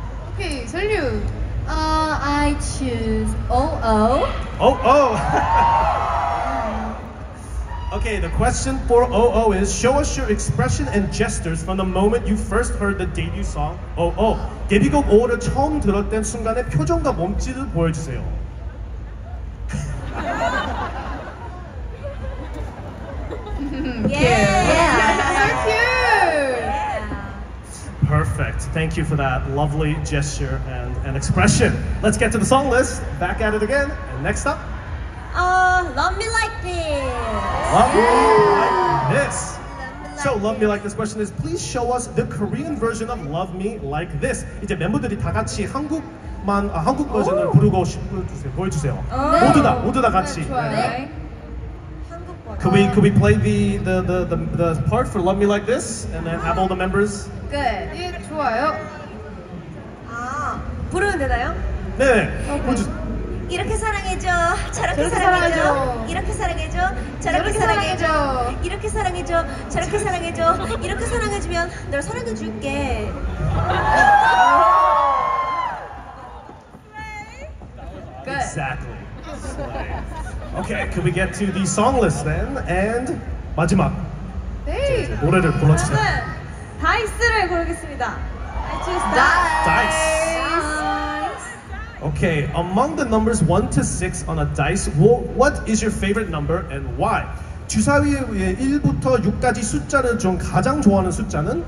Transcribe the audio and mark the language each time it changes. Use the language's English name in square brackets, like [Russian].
[English] Okay, Seolyun. I choose OO. OO. Okay, the question for OO is, show us your expression and gestures from the moment you first heard the debut song, OO. [Korean] 데뷔곡 OO를 처음 들었던 순간의 표정과 몸짓을 보여주세요. [English] Yeah! Yeah. So cute! Perfect. Thank you for that lovely gesture and expression. Let's get to the song list. Back at it again. And next up. Love Me Like This. So Love Me Like This question is, please show us the Korean version of Love Me Like This. [Korean] 이제 멤버들이 다 같이 한국만 한국 버전을 부르고 싶으세요. 보여주세요. 모두 다 같이. 네, 좋아요. 네. 한국 버전. [English] Could we play the part for Love Me Like This and then have all the members? [Korean] 네, 예, 좋아요. 부르면 되나요? 네. 네. 이렇게 사랑해줘, 저렇게 사랑해줘. 이렇게 사랑해줘, 저렇게 사랑해줘. 이렇게 사랑해줘, 저렇게 사랑해줘. 이렇게 사랑해주면 널 사랑해줄게. [English] 네. Exactly. Okay, can we get to the song list then? [Korean] And 마지막. 네. 노래를 불러주세요. 저는 다이스를 고르겠습니다. [English] I choose Dice. Okay, among the numbers 1 to 6 on a dice, what is your favorite number and why? [Korean] 주사위의 1부터 6까지 숫자를 좀 가장 좋아하는 숫자는?